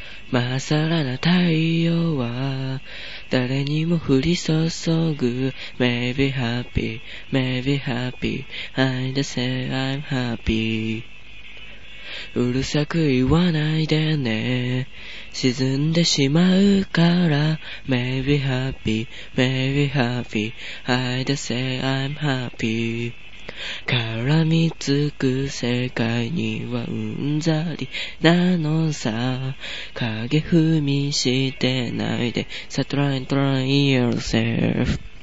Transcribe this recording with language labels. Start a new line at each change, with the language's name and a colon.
Japanese: まさらな太陽は誰にも降り注ぐ。
English: Maybe happy, maybe happy, I just say I'm happy。
Japanese: うるさく言わないでね、沈んでしまうから。
English: Maybe happy, maybe happy, I just say I'm happy。
Japanese: 絡みつく世界にはうんざりなのさ。影踏みしてないで、
English: So try and try yourself。